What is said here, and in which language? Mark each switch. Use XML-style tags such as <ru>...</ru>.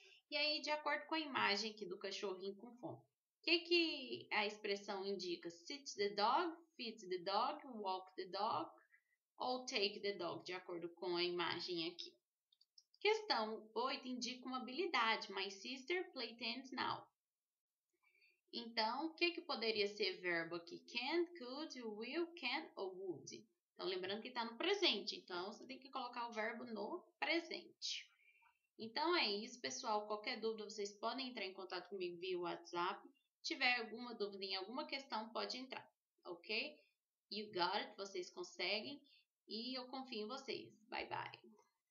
<pt>E aí, de acordo com a imagem aqui do cachorrinho com fome, o que que a expressão indica?</pt> <en>Sit the dog, feed the dog, walk the dog ou take the dog,</en> <pt>de acordo com a imagem aqui. Questão 8 indica uma habilidade.</pt> <en>My sister play tennis now.</en> <pt>Então, o que que poderia ser verbo aqui? Can, could, will, can ou would? Então, lembrando que está no presente. Então, você tem que colocar o verbo no presente. Então, é isso, pessoal. Qualquer dúvida, vocês podem entrar em contato comigo via WhatsApp. Se tiver alguma dúvida em alguma questão, pode entrar, ok?</pt> <en>You got it,</en> <pt>vocês conseguem. E eu confio em vocês. Bye, bye.</pt>